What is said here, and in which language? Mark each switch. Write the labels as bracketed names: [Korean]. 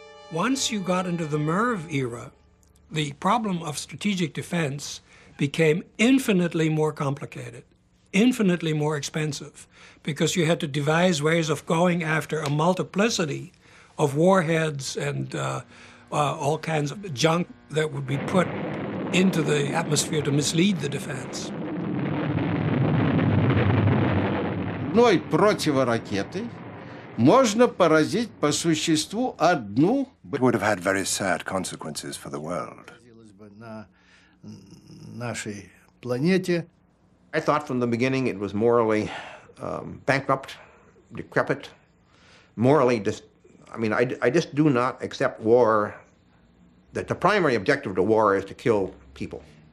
[English] Once you got into the MIRV era, the problem of strategic defense became infinitely more complicated, infinitely more expensive, because you had to devise ways of going after a multiplicity of warheads and all kinds of junk that would be put into the atmosphere to mislead the defense. [Russian] Одной противоракетой можно поразить по существу одну. [English] It would have had very sad consequences for the world. I thought from the beginning it was morally bankrupt, decrepit, morally, I just do not accept war, that the primary objective of the war is to kill people.